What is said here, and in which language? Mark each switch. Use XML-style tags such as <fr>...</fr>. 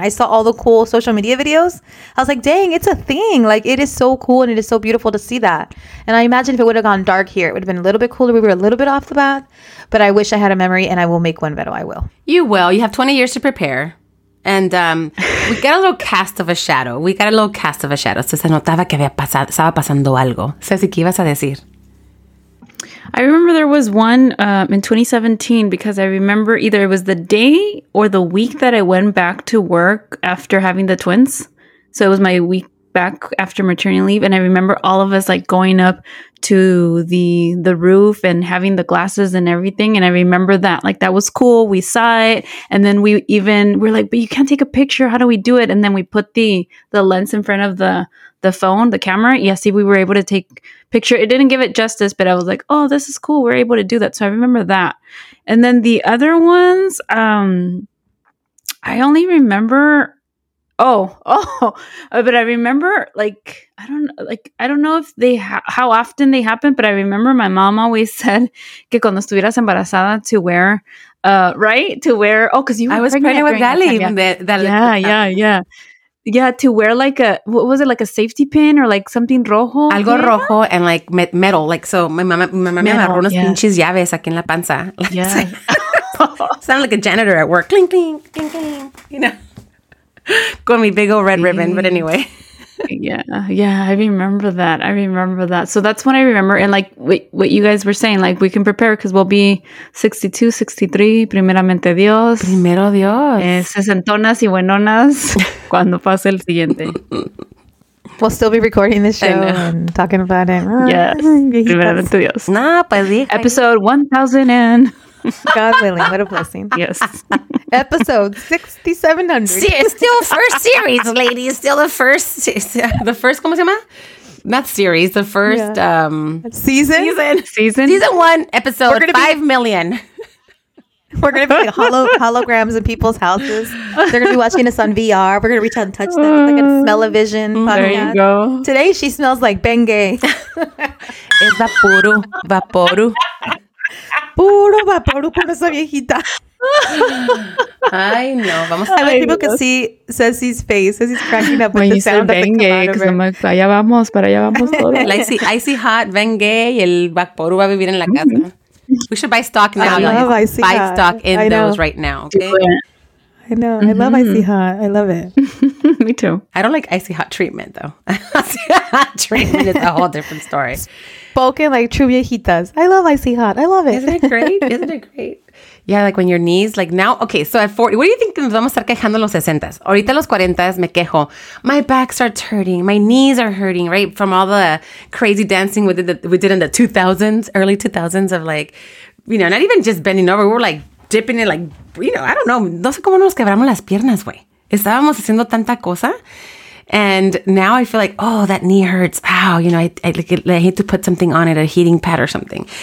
<en>I saw all the cool social media videos. I was like, dang, it's a thing. Like, it is so cool and it is so beautiful to see that. And I imagine if it would have gone dark here, it would have been a little bit cooler. We were a little bit off the bat. But I wish I had a memory, and I will make one, Vero. I will. You will. You have 20 years to prepare. And we got a little cast of a shadow. We got a little cast of a shadow.</en> <es>So se notaba que había pasado, estaba pasando algo. Ceci, ¿qué ibas a decir?</es> <en>I remember there was one in 2017, because I remember either it was the day or the week that I went back to work after having the twins. So it was my week back after maternity leave. And I remember all of us like going up to the roof and having the glasses and everything. And I remember that, like, that was cool. We saw it. And then we even were like, but you can't take a picture. How do we do it? And then we put the lens in front of the phone, the camera. Yeah, see, we were able to take picture. It didn't give it justice, but I was like, oh, this is cool. We're able to do that. So I remember that. And then the other ones, I only remember, but I remember, like, how often they happen, but I remember my mom always said</en> <es>que cuando estuvieras embarazada</es> <en>to wear, because you were pregnant with Dali. Yeah, to wear like a, what was it, like a safety pin or like something rojo? Algo pin? Rojo and like metal. Like, so my</en> <es>mama me agarró unos pinches llaves aquí en la panza.</es> <en>Yeah. Sounded like a janitor at work. Cling, cling, cling, cling. You know? Got me big old red ribbon, but anyway. Yeah, I remember that. I remember that. So that's when I remember. And like what you guys were saying, like, we can prepare because we'll be 62, 63,</en> <es>primeramente Dios. Primero Dios. Sesentonas y buenonas cuando pase el siguiente.</es> <en>We'll still be recording this show and talking about it.</en> <es>Yes. Primeramente Dios. No, pues sí.</es> <en>Episode 1000 and... God willing, what a blessing. Yes. Episode 6700. Still first series, ladies. Still the first. The first,</en> <es>¿cómo se llama?</es> <en>Not series. The first. Yeah. Season? Season. Season one, episode 5 million. We're going to be like holograms in people's houses. They're going to be watching us on VR. We're going to reach out and touch them. They're going to smell a vision. There you go. Today, she smells like Bengay.</en> <es>Es vaporu. Vaporu. Puro vaporu con esa viejita. Ay, no. Vamos a ver.</es> <en>I people can see Ceci's face. Ceci's cracking up with the sound of Bengue, the cloud of her. Like,</en> <es>allá vamos, para allá vamos todos.</es> <en>Like,</en> <es>icy hot, Bengue, y el vaporu va a vivir en la casa.</es> <en>We should buy stock now. I love icy buy hot. Buy stock in those right now. Okay? I know. Mm-hmm. I love icy hot. I love it. Me too. I don't like icy hot treatment, though. Icy hot treatment is a whole different story. Spoken like true viejitas. I love icy hot. I love it. Isn't it great? Yeah, like when your knees, like now, okay, so at 40, what do you think</en> <es>nos vamos a estar quejando en los 60s? Ahorita los 40s me quejo.</es> <en>My back starts hurting. My knees are hurting, right? From all the crazy dancing we did in the 2000s, early 2000s of like, you know, not even just bending over. We were like dipping it like, you know, I don't know.</en> <es>No sé cómo nos quebramos las piernas, güey. Estábamos haciendo tanta cosa.</es> <en>And now I feel like, oh, that knee hurts. Ow, you know, I hate to put something on it, a heating pad or something.</en>